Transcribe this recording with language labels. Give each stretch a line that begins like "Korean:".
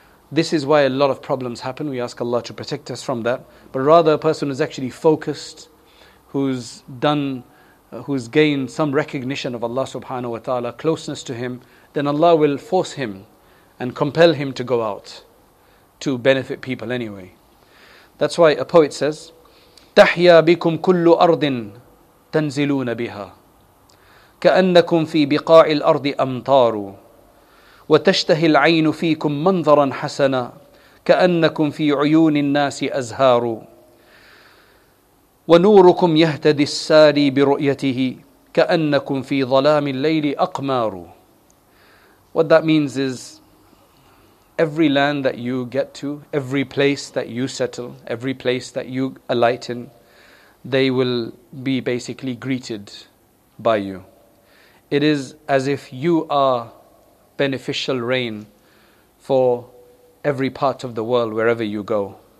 English: This is why a lot of problems happen. We ask Allah to protect us from that. But rather, a person who's actually focused, who's gained some recognition of Allah subhanahu wa ta'ala, closeness to Him, then Allah will force him and compel him to go out to benefit people anyway. That's why a poet says,
Arabic: تَحْيَا بِكُمْ كُلُّ أَرْضٍ تَنْزِلُونَ بِهَا كَأَنَّكُمْ فِي بِقَاعِ الْأَرْضِ أَمْطَارُ وَتَشْتَهِي الْعَيْنُ فِيكُمْ مَنْظَرًا حَسَنًا كَأَنَّكُمْ فِي عُيُونِ النَّاسِ أَزْهَارُ وَنُورُكُمْ يَهْتَدِي السَّارِي بِرُؤْيَتِهِ كَأَنَّكُمْ فِي ظَلَامِ اللَّيْلِ أَقْمَارُ.
English: What that means is, every land that you get to, every place that you settle, every place that you alight in, they will be basically greeted by you. It is as if you are beneficial rain for every part of the world wherever you go.